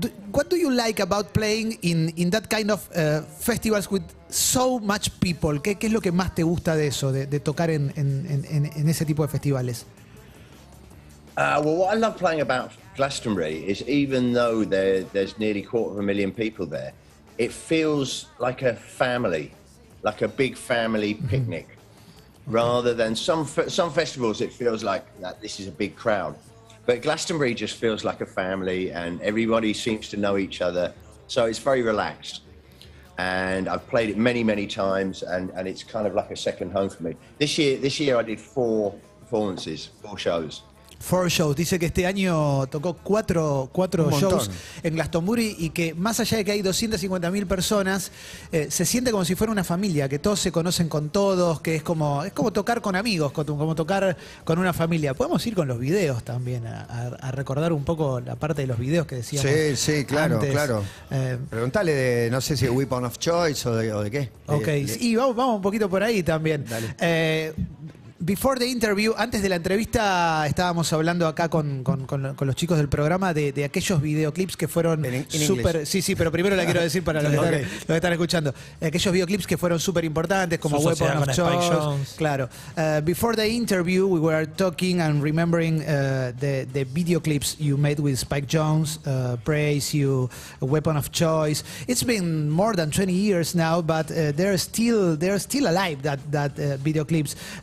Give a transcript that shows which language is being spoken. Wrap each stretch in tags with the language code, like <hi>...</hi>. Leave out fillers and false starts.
<en>What do you like about playing in that kind of festivals with so much people?</en> <es>¿Qué es lo que más te gusta de eso, de tocar en ese tipo de festivales?</es> <en>Well, what I love playing about Glastonbury is even though there's nearly 250,000 people there, it feels like a family, like a big family picnic, rather than some festivals, it feels like that this is a big crowd. But Glastonbury just feels like a family and everybody seems to know each other. So it's very relaxed. And I've played it many, many times and it's kind of like a second home for me. This year I did four shows. Four shows.</en> <es>Dice que este año tocó cuatro shows en Glastonbury y que más allá de que hay 250,000 personas, se siente como si fuera una familia, que todos se conocen con todos, que es como tocar con amigos, como tocar con una familia. Podemos ir con los videos también a recordar un poco la parte de los videos que decíamos. Sí, claro, antes. Claro. Preguntale de, no sé si Weapon of Choice o de qué. Ok, y vamos un poquito por ahí también. Dale.</es> <en>Before the interview,</en> <es>antes de la entrevista, estábamos hablando acá con los chicos del programa de aquellos videoclips que fueron súper... Sí, pero primero la quiero decir para los que están escuchando. Aquellos videoclips que fueron súper importantes, como Weapon of Choice. Claro.</es> <en>Before the interview, we were talking and remembering the videoclips you made with Spike Jones, Praise You, Weapon of Choice. It's been more than 20 years now, but they're still alive, that videoclips.</en>